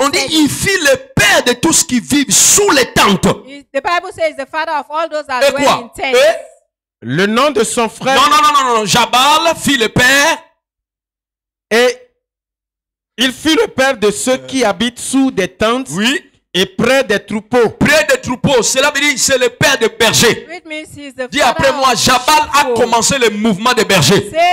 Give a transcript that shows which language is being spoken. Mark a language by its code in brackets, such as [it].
[fr] on dit il fit le père de tous qui vivent sous les tentes. [en] The Bible says the father of all those that dwell in tents. [fr] Le nom de son frère. Non. Jabal fit le père. Et il fut le père de ceux qui habitent sous des tentes. Oui. Et près des troupeaux. Près des troupeaux. Cela veut dire c'est le père des bergers. Dis après moi, Jabal a commencé le mouvement des bergers.